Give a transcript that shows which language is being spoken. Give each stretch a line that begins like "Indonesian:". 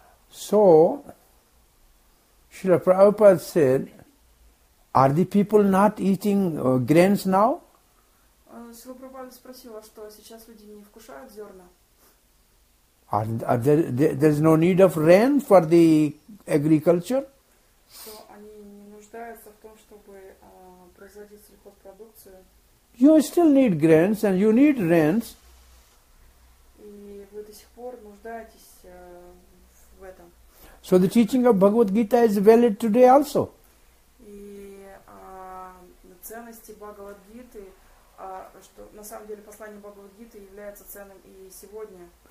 English: So, Srila Prabhupada said, are the people not eating grains now?
Russian: Srila Prabhupada спросила, что сейчас люди не вкушают зерна.
English: There's no need of rain for the agriculture?
Russian: Что они не нуждаются в том, чтобы производить сельхозпродукцию?
English: You still need grains and you need rains.
Russian: И вы до сих пор нуждаетесь в этом.
English: So the teaching of Bhagavad Gita is valid today also.
Russian: И ценности Бхагавад Гиты, что на самом деле послание Бхагавад Гиты является ценным и сегодня.